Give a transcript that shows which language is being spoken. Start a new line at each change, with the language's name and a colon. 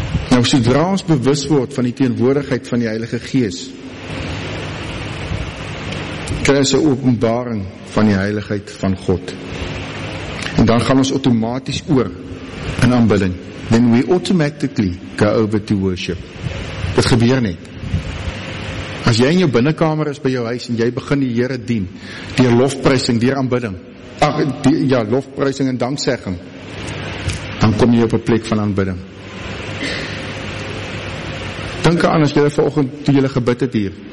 Afrikaans: Nou, sodra ons bewus word van die teenwoordigheid van die Heilige Gees, kry ons 'n openbaring van die heiligheid van God. En dan gaan ons outomaties oor in aanbidding.
English: Then we automatically go over to worship.
Afrikaans: Dit gebeur net. As jy in jou binnenkamer is by jou huis en jy begin die Here dien, deur lofprysing, deur aanbidding, lofprysing en danksegging, dan kom jy op 'n plek van aanbidding. Dink aan as jy vanoggend toe jy gebid het hier.